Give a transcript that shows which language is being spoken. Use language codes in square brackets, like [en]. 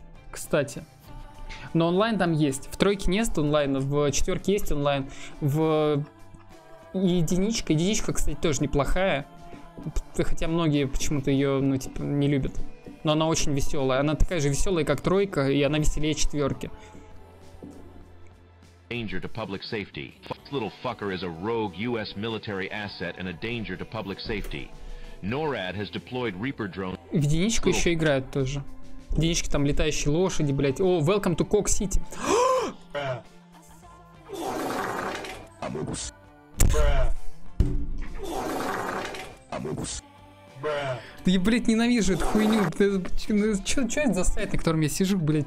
[ru] Кстати. Но онлайн там есть. В тройке нет онлайна, в четверке есть онлайн. В единичка. Единичка, кстати, тоже неплохая. Хотя многие почему-то ее, ну, типа, не любят. Но она очень веселая. Она такая же веселая, как тройка, и она веселее четверки. [en] Danger to public safety. This little fucker is a rogue US military asset and a danger to public safety. NORAD has deployed Reaper drone. [ru] В единичку еще играют тоже. В единичке там летающие лошади, блять. О, [en] welcome to Cock City. [ru] Да я, блядь, ненавижу эту хуйню. Чё это за сайт, на котором я сижу, блядь?